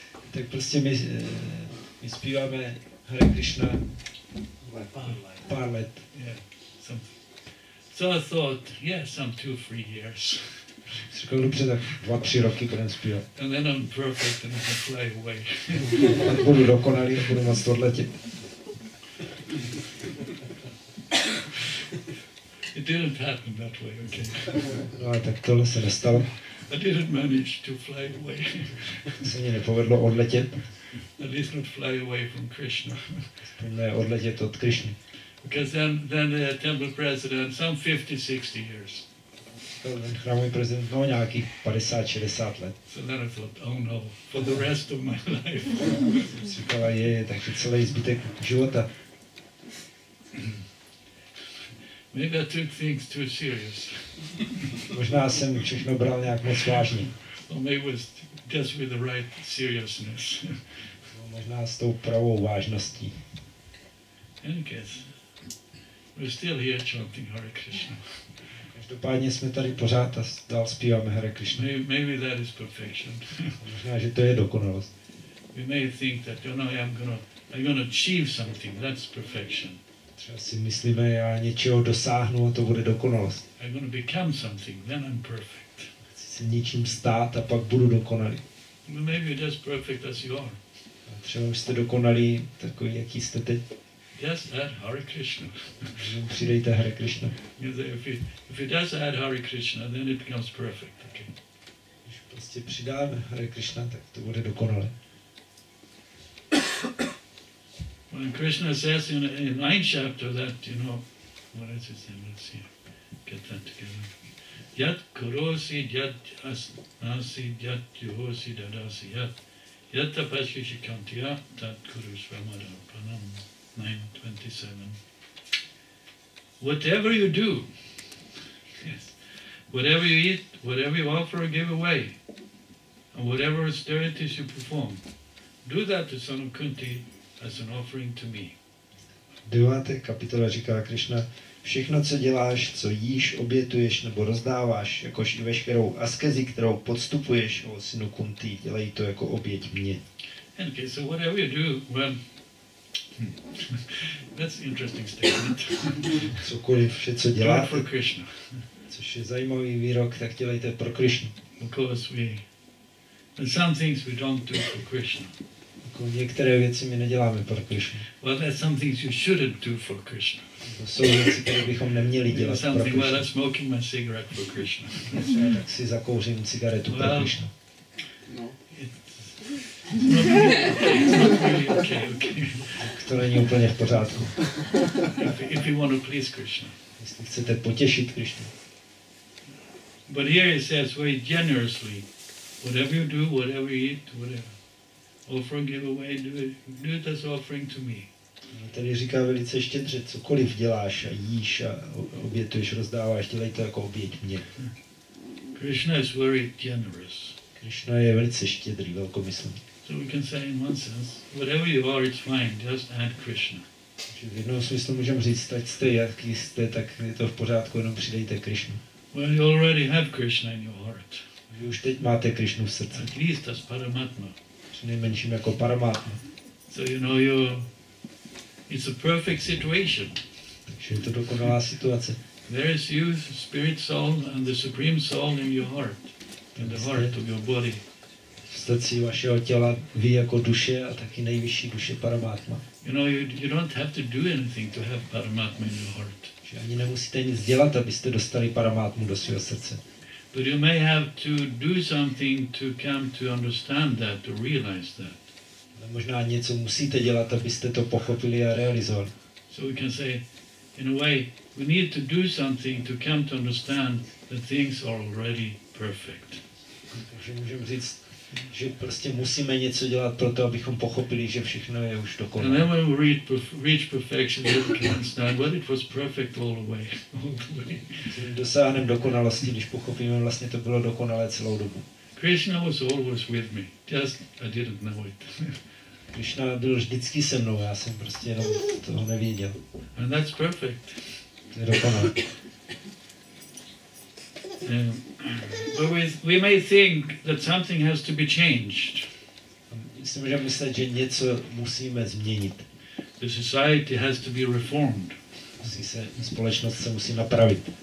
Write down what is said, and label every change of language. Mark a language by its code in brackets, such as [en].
[cs] Tak prostě my zpíváme Hare Krishna pár let. [en] Yeah, So I thought, yes, I'm 2 or 3 years. [cs] Říkal, dobře, tak 2-3 roky budem zpívat. [en] And then I'm perfect and I can fly away. [cs] A budu dokonalý, budu moct odletět. [en] It didn't happen that way, okay. [cs] No a tak tohle se nestalo. [en] I didn't manage to fly away. [cs] Se mě nepovedlo odletět. [en] At least not fly away from Krishna. [cs] Ne, odletět od Krishny. [en] Because then the temple president, some 50-60 years. [cs] Ten chrámový prezident, no nějakých 50-60 let. [en] So then I thought, oh no, for the rest of my life. [cs] Říkala, je, tak je celý zbytek života. [en] Maybe I took things too serious. [cs] Možná jsem všechno bral nějak moc vážně. [en] Or maybe it was just with the right seriousness. [cs] Možná s tou pravou vážností. [en] In any case, we're still here chanting Hare Krishna. [cs] Každopádně jsme tady pořád a dál zpíváme Hare Krishna. [en] Maybe that is perfection. [cs] Možná, že to je dokonalost. [en] We may think that, you know, I'm gonna achieve something, that's perfection. [cs] Třeba si myslíme, já něčeho dosáhnu a to bude dokonalost. [en] I'm gonna become something, then I'm perfect. [cs] Chci se něčím stát a pak budu dokonalý. [en] Maybe you're just perfect as you are. [cs] Třeba už jste dokonalý, takový, jaký jste teď. [en] Just add Hare Krishna. [cs] Přidejte Hare Krishna. [en] If it does add Hare Krishna, then it becomes perfect. Okay. [cs] Když prostě přidáme Hare Krishna, tak to bude dokonalé. [en] When Krishna says in 9th chapter that, you know, what is his name? Let's see. Get that together. [sa] Yat kurosi, yat asnasi, yat yuhosi, dadasi, yat. Yat tapasya shikantiya, tat kurusvamadarpanam. 9:27. [en] Whatever you do, yes, whatever you eat, whatever you offer or give away, and whatever austerities you perform, do that to son of Kunti as an offering to me. [cs] 9. kapitola říká Krishna, všechno, co děláš, co jíš, obětuješ nebo rozdáváš, jakož i veškerou askezi, kterou podstupuješ, o synu Kunti, dělej to jako oběť mě. [en] Okay, so whatever you do, when that's an interesting statement. [cs] Cokoliv vše, co děláte, [en] for Krishna. [cs] Což je zajímavý výrok, tak dělejte pro Krishna. [en] Because we, and some things we don't do for Krishna. [cs] Jako některé věci my neděláme pro Krishna. [en] Well, there's some things you shouldn't do for Krishna. [cs] To jsou věci, které bychom neměli dělat pro Krishna. [en] Well, I'm smoking my cigarette for Krishna. [cs] Tak si zakouřím cigaretu pro Krishna. [en] Okay. [cs] To není úplně v pořádku. [en] If you want to please Krishna. [cs] Jestli chcete potěšit Krishna. [en] But here he says very generously, whatever you do, whatever you eat, whatever, offer and give away, do it as offering to me. [cs] A tady říká velice štědře, cokoliv děláš a jíš a obětuješ, rozdáváš, dělej to jako oběť mě. [en] Krishna is very generous. [cs] Krishna je velice štědrý, velkomyslný. [en] So we can say in one sense, whatever you are, it's fine. Just add Krishna. [cs] V jednom smyslu můžeme říct, ať jste jaký jste, tak je to v pořádku, jenom přidejte Krishna. [en] Well, you already have Krishna in your heart. [cs] Vy už teď máte Krishnu v srdci. [en] At least as Paramatma. [cs] Přinejmenším jako Paramatma. [en] So you know, it's a perfect situation. [cs] Takže je to dokonalá situace. [en] There is you, spirit soul, and the supreme soul in your heart, in the heart of your body. [cs] Stací vašeho těla vy jako duše a taky nejvyšší duše Paramatma. [en] You know, you don't have to do anything to have Paramatma in your heart. [cs] Že ani nemusíte nic dělat, abyste dostali Paramatmu do svého srdce. [en] But you may have to do something to come to understand that, to realize that. [cs] Ale možná něco musíte dělat, abyste to pochopili a realizovali. [en] So we can say, in a way, we need to do something to come to understand that things are already perfect. [cs] Takže můžeme říct, že prostě musíme něco dělat pro to, abychom pochopili, že všechno je už dokonalé. [en] And then when we reach perfection, we can understand, well, it was perfect all the way. [cs] Dosáhneme dokonalosti, když pochopíme, vlastně to bylo dokonalé celou dobu. [en] Krishna was always with me, just I didn't know it. [cs] Krishna byl vždycky se mnou, já jsem prostě jenom toho nevěděl. [en] And that's perfect. [cs] To je dokonalé. [en] But we may think that something has to be changed. [cs] Myslím, že myslet, že něco musíme změnit. [en] The society has to be reformed. [cs] Musí musí se, společnost se musí napravit.